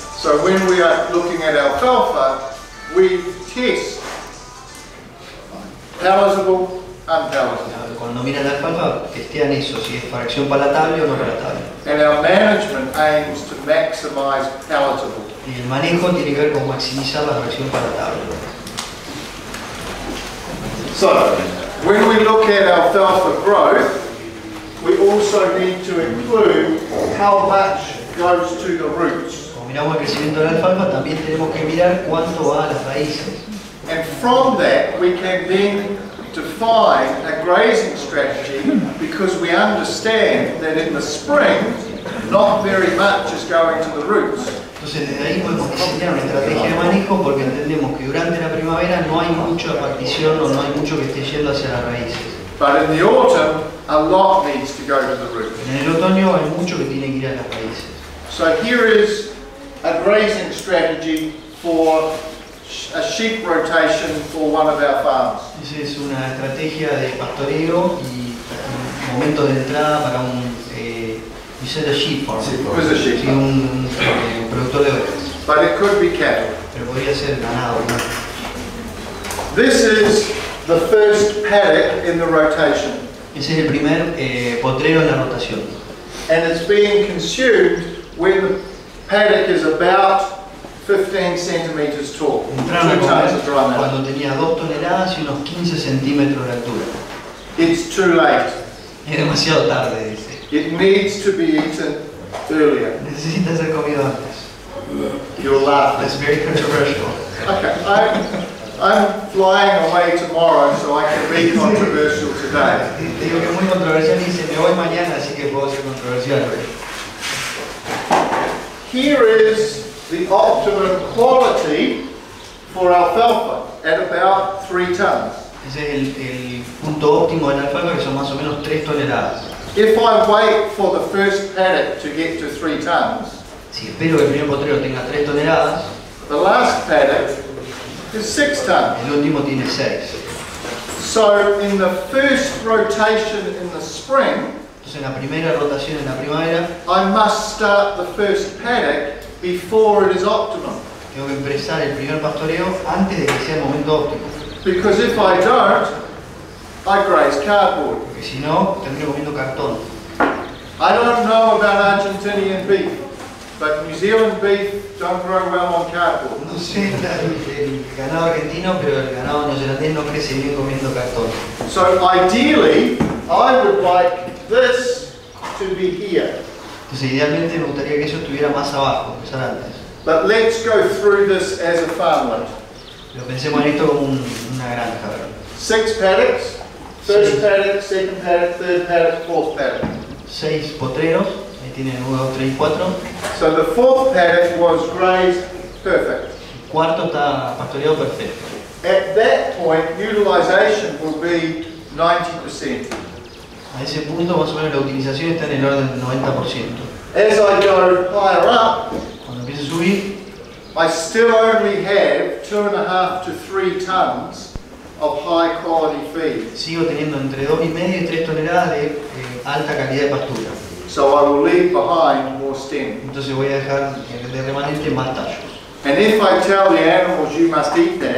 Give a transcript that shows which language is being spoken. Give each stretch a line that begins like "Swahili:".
English: So when we are looking at alfalfa, we test palatable,
Spanish: cuando miran la alfalfa, testean eso, si es fracción palatable o no palatable.
English: And our management aims to maximize palatable.
Spanish: Y el manejo tiene que ver con maximizar la fracción palatable.
English: So, when we look at alfalfa growth, we also need to include how much goes to the roots.
Spanish: Cuando miramos el crecimiento de la alfalfa, también tenemos que mirar cuánto va a las raíces.
English: And from that, we can then define a grazing strategy because we understand that in the spring, not very much is going to the roots.
Spanish: Entonces, desde ahí podemos diseñar una estrategia de manejo porque entendemos que durante la primavera no hay mucha partición o no hay mucho que esté yendo hacia las raíces.
English: But in the autumn, a lot needs to go to the roots.
Spanish: En el otoño hay mucho que tiene que ir a las raíces.
English: So here is a grazing strategy for a sheep rotation for one of our farms.
Spanish: Esa es una estrategia de pastoreo y momento de entrada para un sheep farm. Sí, pues es sheep. Sí, un productor de ovejas.
English: But it could be cattle.
Spanish: Pero podría ser ganado. ¿No?
English: This is the first paddock in the rotation.
Spanish: Ese es el primer potrero en la rotación.
English: And it's being consumed when the paddock is about 15 centimeters tall.
Spanish: Entraron a comer cuando tenía 2 toneladas y unos 15 centímetros de altura.
English: It's too late.
Spanish: Es demasiado tarde, dice.
English: It needs to be eaten earlier.
Spanish: Necesita ser comido antes.
English: You're laughing. It's very controversial. Okay, I'm flying away tomorrow so I can be controversial today.
Spanish: Digo que muy controversial, dice, me voy mañana, así que puedo ser controversial hoy.
English: Here is the optimum quality for alfalfa at about 3 tons.
Spanish: Ese es el punto óptimo de la alfalfa, que son más o menos 3 toneladas.
English: If I wait for the first paddock to get to 3 tons,
Spanish: si espero que el primer potrero tenga 3 toneladas,
English: the last paddock is 6 tons.
Spanish: El último tiene 6.
English: So in the first rotation in the spring,
Spanish: entonces en la primera rotación en la primavera,
English: I must start the first paddock before it is optimum.
Spanish: tengo que empezar el primer pastoreo antes de que sea el momento óptimo.
English: Because if I don't, I graze cardboard.
Spanish: Porque si no, termino comiendo cartón.
English: I don't know about Argentinian beef, but New Zealand beef don't grow well on cardboard.
Spanish: No sé el ganado argentino, pero el ganado neozelandés no crece bien comiendo cartón.
English: So ideally, I would like this to be here.
Spanish: Entonces, idealmente me gustaría que eso estuviera más abajo, empezar antes.
English: But let's go through this as a farmland.
Spanish: Pero pensemos en esto como una granja. ¿Verdad?
English: Six paddocks. First paddock, second paddock, third paddock, fourth paddock.
Spanish: Seis potreros. Ahí tienen uno, dos, tres y cuatro.
English: So the fourth paddock was grazed perfect.
Spanish: El cuarto está pastoreado perfecto.
English: At that point, utilization will be 90%.
Spanish: A ese punto, más o menos, la utilización está en el orden del 90%.
English: As I go higher up,
Spanish: cuando empiezo a subir,
English: I still only have 2.5 to 3 tons of high quality feed.
Spanish: Sigo teniendo entre 2.5 y 3 toneladas de alta calidad de pastura.
English: So I will leave behind more stem.
Spanish: Entonces voy a dejar de remanente más tallos.
English: And if I tell the animals you must eat that,